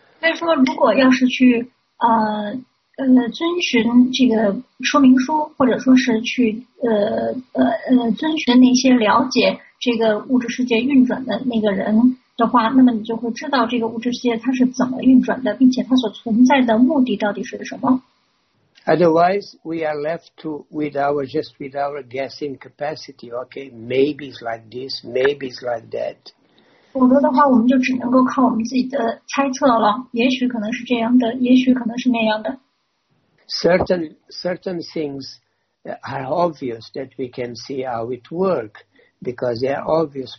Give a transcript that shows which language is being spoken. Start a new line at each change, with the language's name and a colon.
Chinese: 所以说，如果要是去遵循这个说明书，或者说是去遵循那些了解。这个物质世界运转的那个人的话，那么你就会知道这个物质世界它是怎么运转的，并且它所存在的目的到底是什么。
English: Otherwise, we are left to with our guessing capacity. Okay, maybe it's like this, maybe it's like that.
Chinese: 否则的话，我们就只能够靠我们自己的猜测了。也许可能是这样的，也许可能是那样的。
English: Certain things are obvious that we can see how it works because they are obvious.